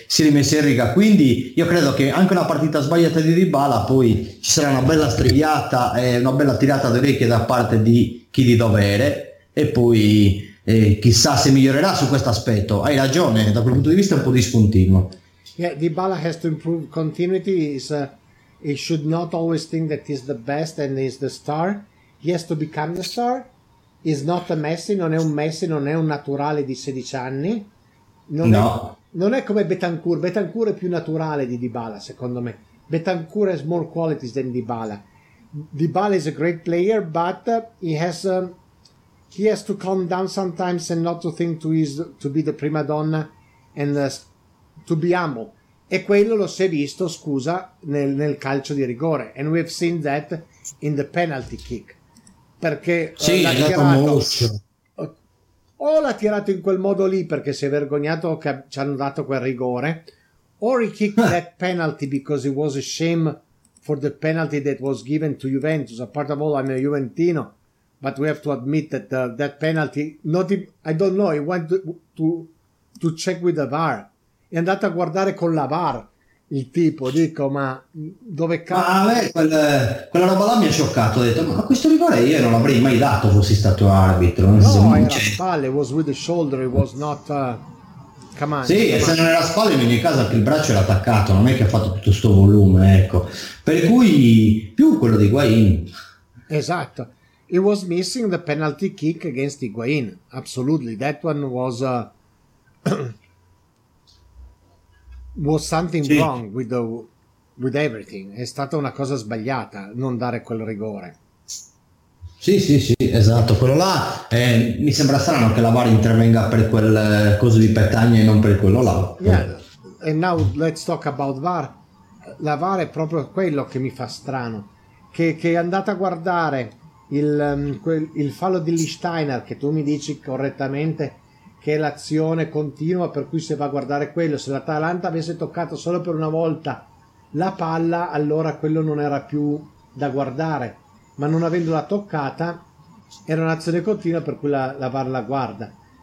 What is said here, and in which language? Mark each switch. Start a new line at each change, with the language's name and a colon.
Italian: rimesso in riga, quindi io credo che anche una partita sbagliata di Dybala poi ci sarà una bella strigliata e una bella tirata di orecchie da parte di chi di dovere e poi chissà se migliorerà su questo aspetto. Hai ragione, da quel punto di vista è un po' discontinuo.
English: Yeah, Dybala has to improve continuity. He should not always think that he's the best and he's the star. He has to become the star. He's not a Messi,
Italian: non è un Messi, non è un naturale di 16 anni. Non è come Betancourt. Betancourt è più naturale di Dybala, secondo me.
English: Betancourt has more qualities than Dybala. Dybala is a great player, but he has to calm down sometimes and not to think to be the prima donna and to be humble.
Italian: E quello lo si è visto, scusa, nel calcio di rigore.
English: And we've seen that in the penalty kick.
Italian: Perché sì, l'ha tirato. O l'ha tirato in quel modo lì perché si è vergognato che ci hanno dato quel rigore.
English: Or he kicked that penalty because it was a shame for the penalty that was given to Juventus. A part of all, I'm a Juventino. But we have to admit that that penalty, I don't know, he went to check with the VAR.
Italian: È andato a guardare con la VAR il tipo, dico, ma dove cazzo? Ma quella roba là mi ha scioccato, ho detto, ma questo rigore io non l'avrei mai dato fossi stato arbitro. Era spalle,
English: was with the shoulder, it was not, come on.
Italian: Sì, e se non era spalle, in ogni caso anche il braccio era attaccato, non è che ha fatto tutto sto volume, ecco. Per cui, più quello di Higuain. Esatto.
English: He was missing the penalty kick against Higuain. Absolutely. That one was was something sì. Wrong with the with everything.
Italian: È stata una cosa sbagliata non dare quel rigore. Sì, sì, sì, esatto. Quello là mi sembra strano che la VAR intervenga per quel coso di Petagna e non per quello là.
English: Yeah. And now let's talk about VAR.
Italian: La VAR è proprio quello che mi fa strano. Che è andata a guardare il fallo di Lichtsteiner, che tu mi dici correttamente che è l'azione continua, per cui se va a guardare quello, se l'Atalanta avesse toccato solo per una volta la palla, allora quello non era più da guardare, ma non avendola toccata era un'azione continua, per cui la VAR la guarda.